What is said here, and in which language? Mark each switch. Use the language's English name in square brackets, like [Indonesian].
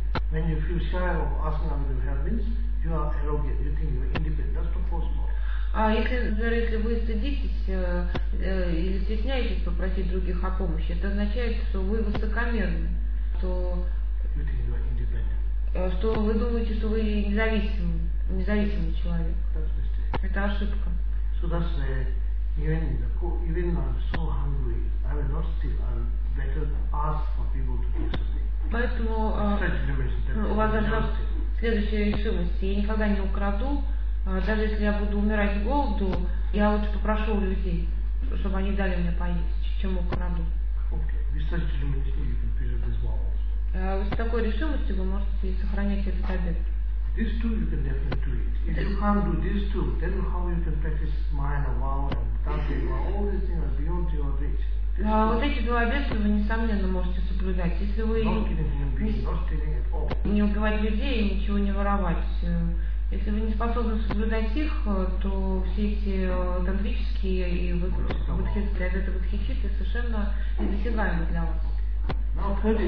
[English] When you feel shy of asking other people help, means you are arrogant. You think you are independent. That's not possible. [Russian] Если вы стыдитесь или стесняетесь попросить других о помощи, это означает, что вы высокомерны, что вы думаете, что вы независимый человек. Это ошибка. [English] So that's the even I'm so hungry, I will not steal. I'll better ask for people to do something. [Russian] Поэтому у вас должна быть следующая решимость. Я никогда не украду, даже если я буду умирать с голоду, я лучше попрошу у людей, чтобы они дали мне поесть, чем украду. [English] Okay. [Russian] С такой решимостью вы можете сохранять этот обет. [English] These two you can definitely do it. If you can't do these two, then how you can practice mayana, vow and tantra, vow, all these things are beyond your reach. [Russian] Вот эти два обеда вы, несомненно, можете соблюдать, если вы не убивать людей и ничего не воровать. Если вы не способны соблюдать их, то все эти тантрические и будхитские обеды будхичиты совершенно недосягаемы для вас.